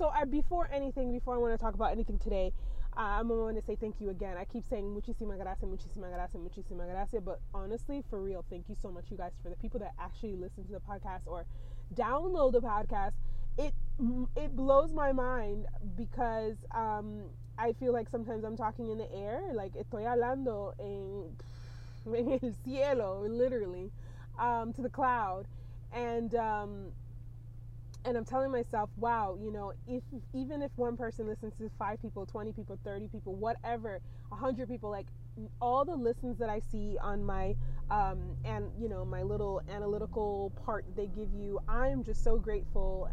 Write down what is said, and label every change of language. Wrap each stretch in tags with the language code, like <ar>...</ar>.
<en>Before I want to talk about anything today, I'm going to say thank you again. I keep saying</en> <es>muchísima gracias, muchísima gracias, muchísima gracias.</es> <en>But honestly, for real, thank you so much, you guys, for the people that actually listen to the podcast or download the podcast. It blows my mind because I feel like sometimes I'm talking in the air. Like,</en> <es>estoy hablando en el cielo,</es> <en>literally, to the cloud. And I'm telling myself, wow, if one person listens to 5 people, 20 people, 30 people, whatever, 100 people, like all the listens that I see on my, my little analytical part they give you, I'm just so grateful.</en>